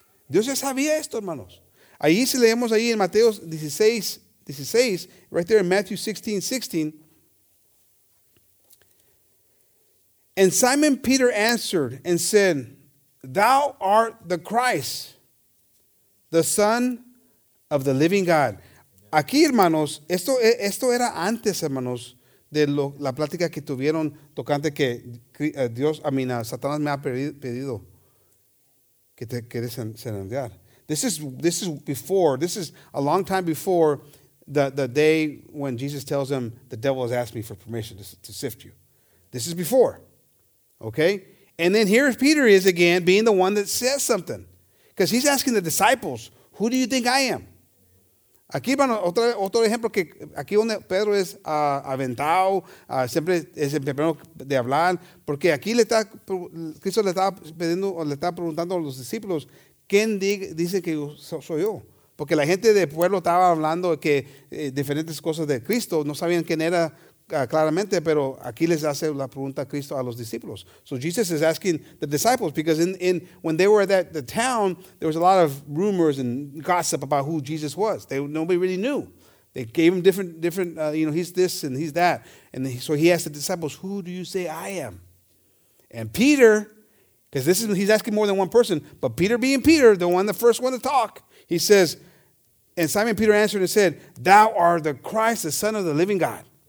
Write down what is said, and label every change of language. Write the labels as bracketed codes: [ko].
[es] Dios ya sabía esto, hermanos. Ahí si leemos ahí en Mateo 16, [en] right there in Matthew 16:16. And Simon Peter answered and said, Thou art the Christ, the Son of the living God. [es] Aquí, hermanos, esto era antes, hermanos, de la plática que tuvieron tocante que Dios, [en] I mean, [es] Satanás me ha pedido que te quieres encender. [en] This is before, this is a long time before the day when Jesus tells him, the devil has asked me for permission to sift you. This is before, okay? And then here Peter is again, being the one that says something. Because he's asking the disciples, who do you think I am? [es] Aquí, bueno, otro ejemplo que aquí donde Pedro es aventado, siempre es el primero de hablar, porque aquí Cristo le estaba pidiendo o le estaba preguntando a los discípulos, ¿quién dice que soy yo? Porque la gente del pueblo estaba hablando que diferentes cosas de Cristo, no sabían quién era claramente, pero aquí les hace la pregunta a Cristo a los discípulos. [en] So Jesus is asking the disciples, because in when they were at the town, there was a lot of rumors and gossip about who Jesus was. Nobody really knew. They gave him different, you know, he's this and he's that. And so he asked the disciples, who do you say I am? And Peter, because he's asking more than one person, but Peter being Peter, the first one to talk, he says, and Simon Peter answered and said, Thou art the Christ, the Son of the living God.